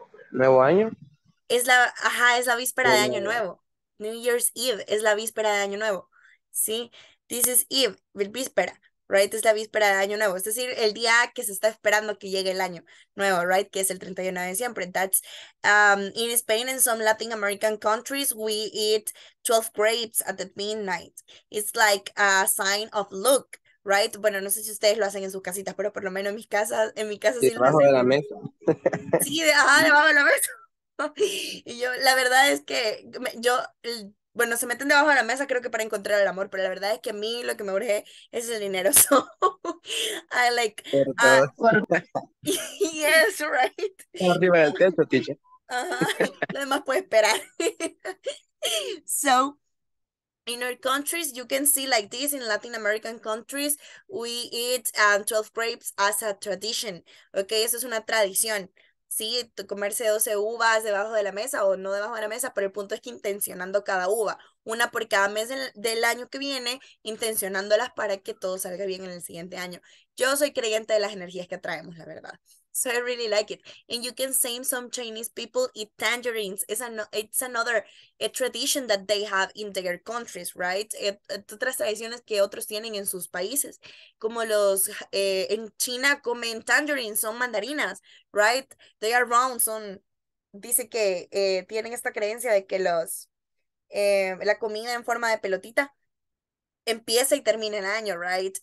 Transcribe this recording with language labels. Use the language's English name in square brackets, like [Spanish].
[Spanish] Nuevo año. Es la víspera de año nuevo. [English] New Year's Eve [Spanish] es la víspera de año nuevo. ¿Sí? [English] This is Eve, [Spanish] víspera, [English] right? [Spanish] Es la víspera de año nuevo. Es decir, el día que se está esperando que llegue el año nuevo, [English] right? [Spanish] Que es el 31 de diciembre. [English] That's in Spain and some Latin American countries, we eat 12 grapes at the midnight. It's like a sign of luck, right? [Spanish] Bueno, no sé si ustedes lo hacen en sus casitas, pero por lo menos en mi casa sí lo debajo hacen. De la mesa. Sí, debajo de la mesa. Y yo, la verdad es que bueno, se meten debajo de la mesa creo que para encontrar el amor, pero la verdad es que a mí lo que me urge es el dinero. [English] So, I like, yes, right. [Spanish] Arriba del techo, teacher. Lo demás puede esperar. [English] So, in our countries, you can see like this, in Latin American countries, we eat 12 grapes as a tradition. [Spanish] Okay, eso es una tradición. Sí, comerse 12 uvas debajo de la mesa o no debajo de la mesa, pero el punto es que intencionando cada uva, una por cada mes del año que viene, intencionándolas para que todo salga bien en el siguiente año. Yo soy creyente de las energías que atraemos, la verdad. [English] So I really like it. And you can see some Chinese people eat tangerines. It's another tradition that they have in their countries, right? [Spanish] Otras tradiciones que otros tienen en sus países. Como los en China comen tangerines, son mandarinas, [English] right? They are round, [Spanish] son. Dice que tienen esta creencia de que los la comida en forma de pelotita empieza y termina el año, [English] right?